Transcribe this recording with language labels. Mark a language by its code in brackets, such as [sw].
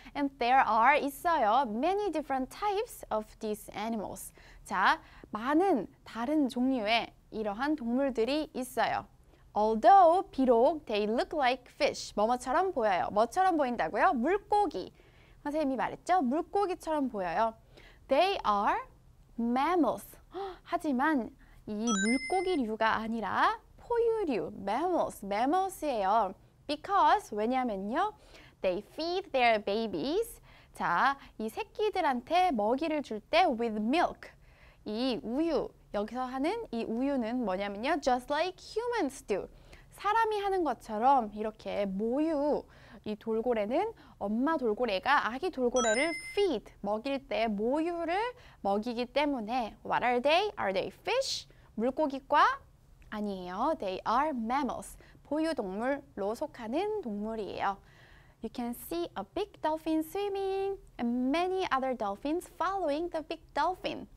[en] And there are, [ko] 있어요, [en] many different types of these animals. [ko] 자, 많은 다른 종류의 이러한 동물들이 있어요. [en] Although, [ko] 비록 [en] they look like fish, [ko] 뭐뭐처럼 보여요. 뭐처럼 보인다고요? 물고기. 선생님이 말했죠? 물고기처럼 보여요. [en] They are mammals. [ko] 하지만 이 물고기류가 아니라 포유류, mammals, mammals예요. [en] Because, [ko] 왜냐면요, [en] they feed their babies. [ko] 자, 이 새끼들한테 먹이를 줄 때 [en] with milk. [ko] 이 우유, 여기서 하는 이 우유는 뭐냐면요, [en] just like humans do. [ko] 사람이 하는 것처럼 이렇게 모유, 이 돌고래는 엄마 돌고래가 아기 돌고래를 feed, 먹일 때 모유를 먹이기 때문에 [en] What are they? Are they fish? [ko] 물고기과? 아니에요. [en] They are mammals. [ko] 포유동물로 속하는 동물이에요. [en] You can see a big dolphin swimming and many other dolphins following the big dolphin.